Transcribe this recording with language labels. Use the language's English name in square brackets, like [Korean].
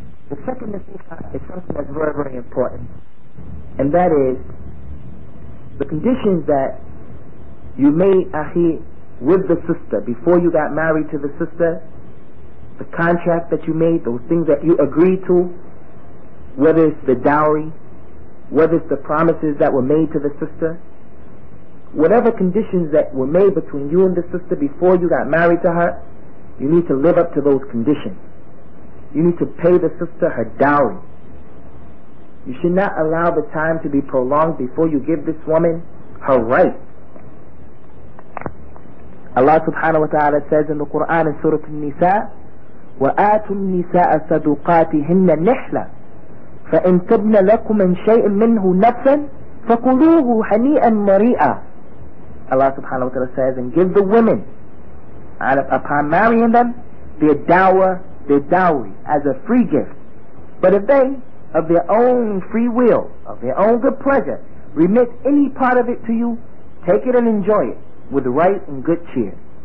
[English] The second nasihah is something that's very, very important. And that is, the conditions that you made, ahi, with the sister, before you got married to the sister, the contract that you made, those things that you agreed to, whether it's the dowry, whether it's the promises that were made to the sister, whatever conditions that were made between you and the sister before you got married to her, you need to live up to those conditions. You need to pay the sister her dowry. You should not allow the time to be prolonged before you give this woman her right. Allah subhanahu wa ta'ala says in the Quran in Surah An-Nisa, [Arabic] وَآتُوا النِّسَاءَ صَدُقَاتِهِنَّ نِحْلًا فَإِنْ تَبْنَ لَكُمْ مِنْ شَيْءٍ مِّنْهُ نَفْسًا فَكُلُوهُ حَنِيئًا مَرِيئًا. [English] Allah subhanahu wa ta'ala says, and give the women, upon marrying them, their dowry as a free gift. But if they, of their own free will, of their own good pleasure, remit any part of it to you, take it and enjoy it with right and good cheer.